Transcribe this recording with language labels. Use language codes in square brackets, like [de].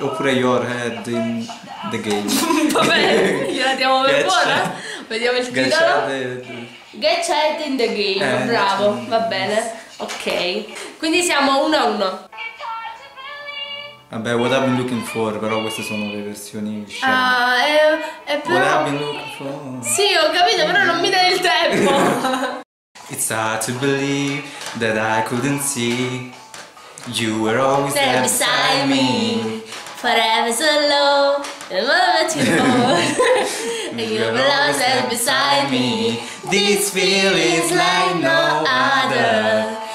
[it] oppure [en] your head in the game. [it] Va bene, gliela diamo per buona. Vediamo il titolo. [en] Get your head in the game, [it] bravo, va bene. Ok, quindi siamo 1-1. Vabbè, What I've Been Looking For, però queste sono le versioni scelte. Ah, è però... [en] What I've Been Looking For. [it] Sì, ho capito, però non mi dai il tempo. [en] It's hard to believe that I couldn't see. You were always there beside me. Forever so low, and love to fall. And you were always there beside me. This feeling's like no other.